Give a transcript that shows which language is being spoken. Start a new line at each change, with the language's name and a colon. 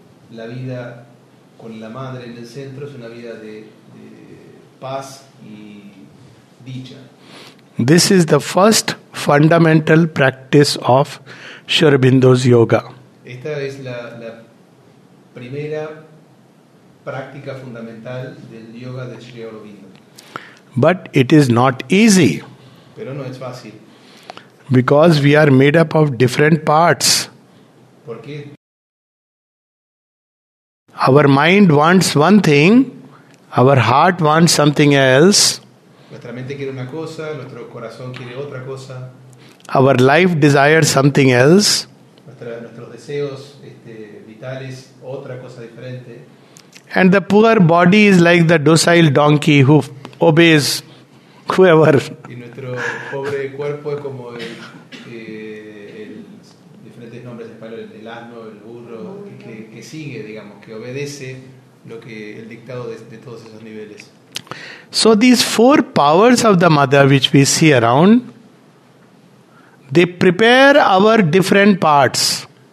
Spanish: La vida con la madre en el centro es una vida de paz y dicha.
English: This is the first fundamental practice of Sri Aurobindo's yoga.
Spanish: Esta es la primera práctica fundamental del yoga de Sri Aurobindo.
English: But it is not easy.
Spanish: Pero no es fácil.
English: Because we are made up of different parts.
Spanish: ¿Por qué?
English: Our mind wants one thing, our heart wants something else.
Spanish: Nuestra mente quiere una cosa, nuestro corazón quiere otra cosa.
English: Our life desires something else.
Spanish: Nuestros deseos vitales, otra cosa diferente.
English: And the poor body is like the docile donkey who obeys whoever.
Spanish: Y nuestro pobre cuerpo es como diferentes nombres en español, el asno, el burro, que sigue, digamos, que obedece lo que el dictado de todos esos niveles.
English: So these four powers of the mother which we see around, they prepare our different parts.